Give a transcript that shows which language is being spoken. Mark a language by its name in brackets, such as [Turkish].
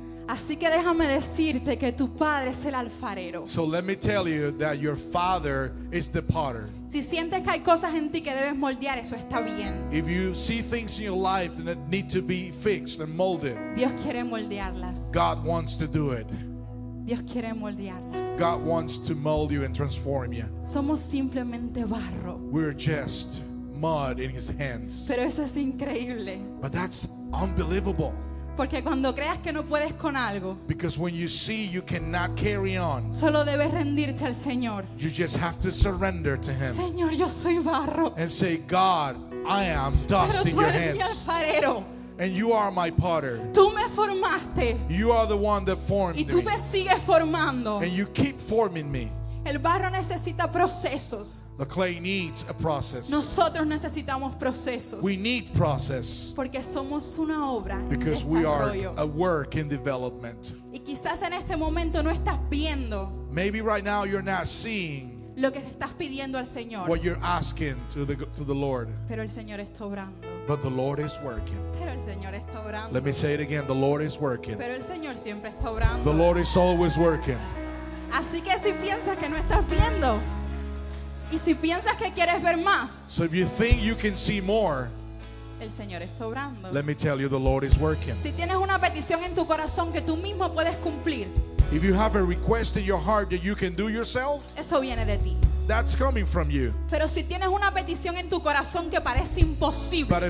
[Spanish] Así que déjame decirte que tu padre es el alfarero. [English] So let me tell you that your father is the potter. [Spanish] Si sientes que hay cosas en ti que debes moldear, eso está bien. [English] If you see things in your life that need to be fixed and molded, [Spanish] Dios quiere moldearlas. [English] God wants to do it. [Spanish] Dios quiere moldearlas. [English] God wants to mold you and transform you. [Spanish] Somos simplemente barro. [English] We're just mud in his hands. [Spanish] Pero eso es increíble. [English] But that's unbelievable. [Spanish] Porque cuando creas que no puedes con algo, [English] because when you see you cannot carry on, [Spanish] solo debes rendirte al Señor. [English] You just have to surrender to him. [Spanish] Señor, yo soy barro. [English] And say, God, I am dust in your hands. [Spanish] Pero tú eres mi alfarero. [English] And you are my potter. [Spanish] Tú me formaste. [English] You are the one that formed [Spanish] me. Y tú me sigues formando. [English] And you keep forming me. [Spanish] El barro necesita procesos. [English] The clay needs a process. [Spanish] Nosotros necesitamos procesos. [English] We need process. [Spanish] Porque somos una obra en [English] because [Spanish] desarrollo. [English] We are a work in development. [Spanish] Y quizás en este momento no estás viendo. [English] Maybe right now you're not seeing. [Spanish] lo que estás pidiendo al Señor. [English] What you're asking to the Lord. [Spanish] Pero el Señor está obrando. [English] But the Lord is working. [Spanish] Pero el Señor está obrando. [English] Let me say it again. The Lord is working. [Spanish] Pero el Señor siempre está obrando. [English] The Lord is always working. [Spanish] Así que si piensas que no estás viendo, y si piensas que quieres ver más, [English] so if you think you can see more, [Spanish] el Señor está obrando. [English] Let me tell you, the Lord is working. [Spanish] Si tienes una petición en tu corazón que tú mismo puedes cumplir, [English] if you have a request in your heart that you can do yourself, [Spanish] eso viene de ti. [English] That's coming from you. [Spanish] Pero si tienes una petición en tu corazón que parece imposible,